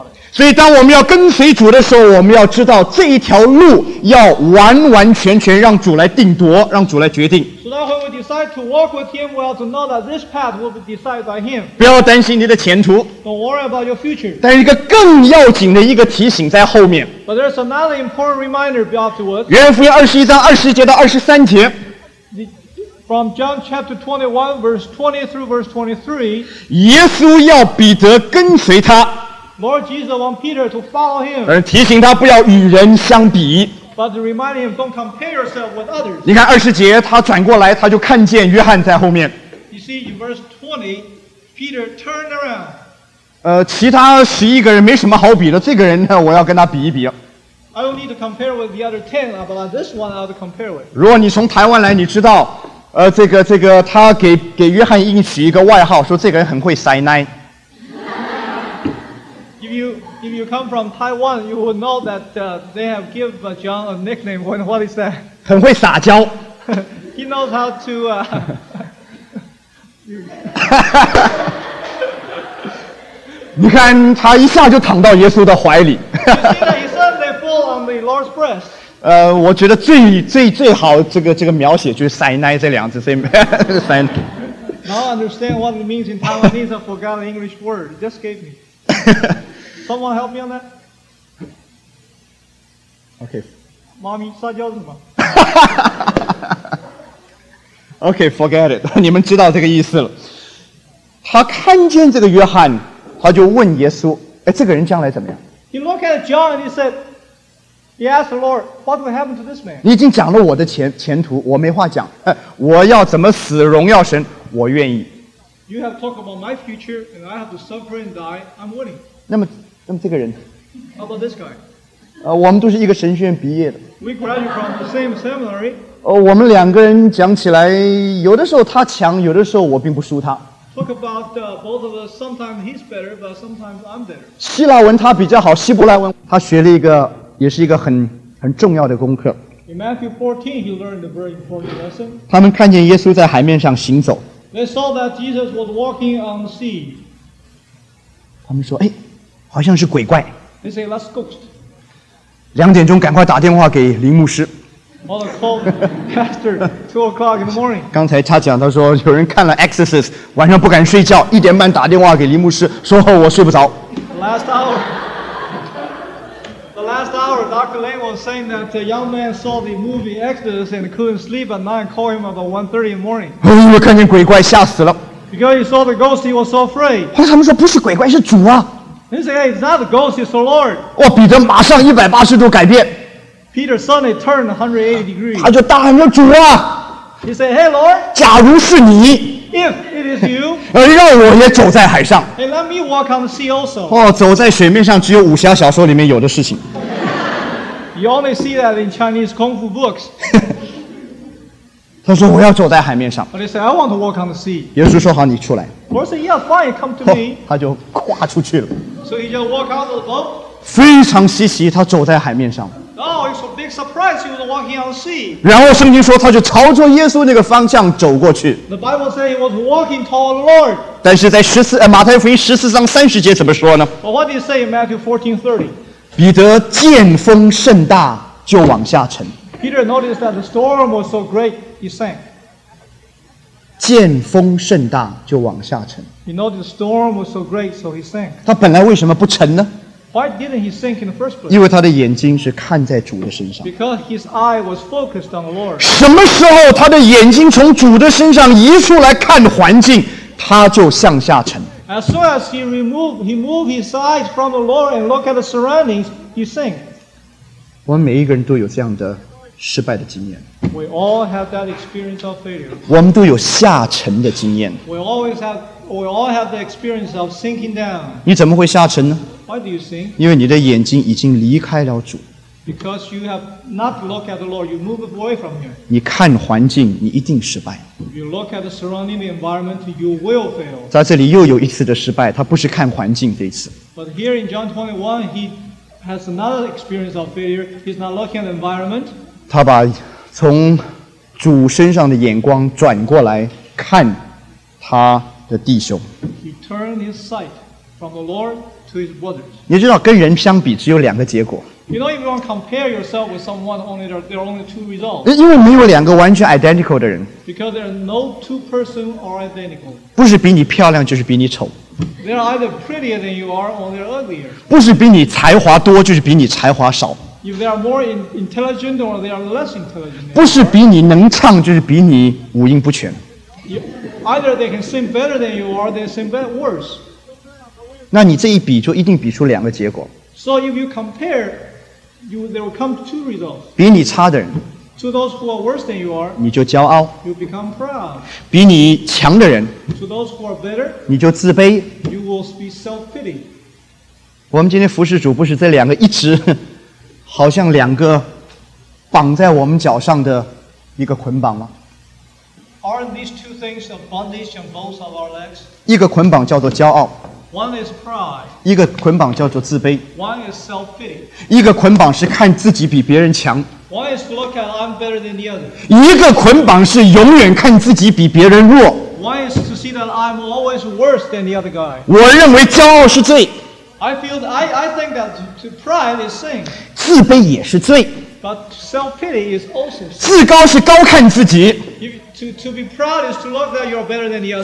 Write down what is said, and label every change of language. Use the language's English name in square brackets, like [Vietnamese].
[Chinese] 所以当我们要跟随主的时候，我们要知道这一条路要完完全全让主来定夺，让主来决定。 [English] Decide to walk with him, we have to know that this path will be decided by him. [Chinese] 不要担心你的前途。 [English] Don't worry about your future. [Chinese] 但是一个更要紧的一个提醒在后面。 [English] But there's another important reminder afterwards. [Chinese] 约翰福音21:20-23. [English] From John chapter 21, verse 20 through verse 23. [Chinese] 耶稣要彼得跟随他。 [English] Lord Jesus want Peter to follow him. [Chinese] 而提醒他不要与人相比。 [English] But to remind him, don't compare yourself with others. [Chinese] 你看二十节，他转过来，他就看见约翰在后面。 [English] You see, in verse 20, Peter turned around. [Chinese] 其他十一个人没什么好比的，这个人呢，我要跟他比一比。 [English] I don't need to compare with the other 10, but this one I ought to compare with. [Chinese] 如果你从台湾来，你知道，这个他给约翰硬取一个外号，说这个人很会塞奶。 [English] If you come from Taiwan, you will know that they have given John a nickname. What is that? [Chinese] 很会撒娇。 [English] He knows how to. [Chinese] 你看他一下就躺到耶稣的怀里。 [English] You see that he suddenly fall on the Lord's breast. [Chinese] 我觉得最好这个描写就是塞奶这两字，所以塞奶。 [English] Now I understand what it means in Taiwanese. I forgot the English word. It just gave me. Someone help me on that. Okay. Mommy, [Chinese] 撒娇什么？ [English] Okay, forget it. [Chinese] 你们知道这个意思了。他看见这个约翰，他就问耶稣：“哎，这个人将来怎么样？” [English] He looked at John and he said, "He asked the Lord, 'What will happen to this man?'" [Chinese] 你已经讲了我的前途，我没话讲。我要怎么死，荣耀神，我愿意。 [English] You have talked about my future, and I have to suffer and die. I'm willing. [Chinese] 那么这个人 [English] ，How about this guy？ [Chinese] 我们都是一个神学院毕业的。 [English] We graduate from the same seminary。 [Chinese] 我们两个人讲起来，有的时候他强，有的时候我并不输他。 [English] Talk about both of us. Sometimes he's better, but sometimes I'm better. [Chinese] 希腊文他比较好，希伯来文他学了一个，也是一个很重要的功课。 [English] In Matthew 14, he learned a very important lesson. [Chinese] 他们看见耶稣在海面上行走。 [English] They saw that Jesus was walking on the sea. [Chinese] 他们说，哎，好像是鬼怪。 [English] They say, that's ghost. [Chinese] 两点钟赶快打电话给林牧师。 [English] Well, call pastor, 2 o'clock in the morning. [Chinese] 刚才他讲，他说有人看了 Exorcist, 晚上不敢睡觉，一点半打电话给林牧师，说后我睡不着。 [English] The last hour, Dr. Lane was saying that a young man saw the movie Exodus and couldn't sleep at night and called him about 1:30 in the morning. [Chinese] 因为看见鬼怪吓死了。 [English] Because he saw the ghost, he was so afraid. [Chinese] 后来他们说不是鬼怪，是主啊。 [English] He said, hey, it's not the ghost, it's the Lord. [Chinese] 哇，彼得马上180度改变。 [English] Peter suddenly turned 180 degrees. [Chinese] 他就大喊说主啊。 [English] He said, hey, Lord. [Chinese] 假如是你。 [English] If it is you, [Chinese] 让我也走在海上。 [English] And let me walk on the sea also. [Chinese] 哦，走在水面上只有武侠小说里面有的事情。 [English] You only see that in Chinese kung fu books. [Chinese] 他说我要走在海面上。 [English] But he said, I want to walk on the sea. [Chinese] 耶稣说好，你出来。 [English] Lord said, yeah, fine, come to me. [Chinese] 他就跨出去了。 [English] So he just walked out of the boat. [Chinese] 非常稀奇，他走在海面上。 [English] Oh, it's a big surprise. He was walking on the sea. [Chinese] 然后圣经说，他就朝着耶稣那个方向走过去。 [English] The Bible says he was walking toward the Lord. [Chinese] 但是在马太福音14:30怎么说呢？ [English] Well, what do you say in Matthew 14:30? [Chinese] 彼得见风甚大，就往下沉。 [English] Peter noticed that the storm was so great, he sank. [Chinese] 见风甚大，就往下沉。 [English] He noticed the storm was so great, so he sank. [Chinese] 他本来为什么不沉呢？ [English] Why didn't he sink in the first place? [Chinese] 因为他的眼睛是看在主的身上。 [English] Because his eye was focused on the Lord. [Chinese] 什么时候他的眼睛从主的身上移出来看环境，他就向下沉。 [English] As soon as he moved his eyes from the Lord and looked at the surroundings, he sank. [Chinese] 我们每一个人都有这样的失败的经验。 [English] We all have that experience of failure. [Chinese] 我们都有下沉的经验。 [English] We all have the experience of sinking down. [Chinese] 你怎么会下沉呢？ [English] Why do you sink? [Chinese] 因为你的眼睛已经离开了主。 [English] Because you have not looked at the Lord, you move away from here. [Chinese] 你看环境，你一定失败。 [English] If you look at the surrounding environment, you will fail. [Chinese] 在这里又有一次的失败，他不是看环境这一次。 [English] But here in John 21, he has another experience of failure. He's not looking at the environment. [Chinese] 他把从主身上的眼光转过来看他的弟兄。 [English] He turned his sight from the Lord. [Chinese] 你知道跟人相比只有两个结果。 [English] You know, if you want to compare yourself with someone, only there are only two results. [Chinese] 因为没有两个完全 identical 的人。 [English] Because there are no two persons are identical. [Chinese] 不是比你漂亮就是比你丑。 [English] They are either prettier than you are or they are uglier. [Chinese] 不是比你才华多就是比你才华少。 [English] If they are more intelligent or they are less intelligent. [Chinese] 不是比你能唱就是比你五音不全。 [English] Either they can sing better than you or they sing worse. [Chinese] 那你这一比就一定比出两个结果。 [English] So if you compare, there will come two results. [Chinese] 比你差的人。 [English] To those who are worse than you are. [Chinese] 你就骄傲。 [English] You become proud. [Chinese] 比你强的人。 [English] To those who are better. [Chinese] 你就自卑。 [English] You will be self-pity. [Chinese] 我们今天服侍主不是这两个一直好像两个绑在我们脚上的一个捆绑吗？ [English] Aren't these two things a bondage on both of our legs? [Chinese] 一个捆绑叫做骄傲。 [English] One is pride. [Chinese] 一个捆绑叫做自卑。 [English] One is self-pity. [Chinese] 一个捆绑是看自己比别人强。 [English] One is look at I'm better than the other. [Chinese] 一个捆绑是永远看自己比别人弱。 [English] One is to see that I'm always worse than the other guy. [Chinese] 我认为骄傲是罪。 [English] I think that pride is sin. [Chinese] 自卑也是罪。 [English] But self-pity is also sin. [Chinese] 自高是高看自己。 [English] To be proud is to look that you're better than the other.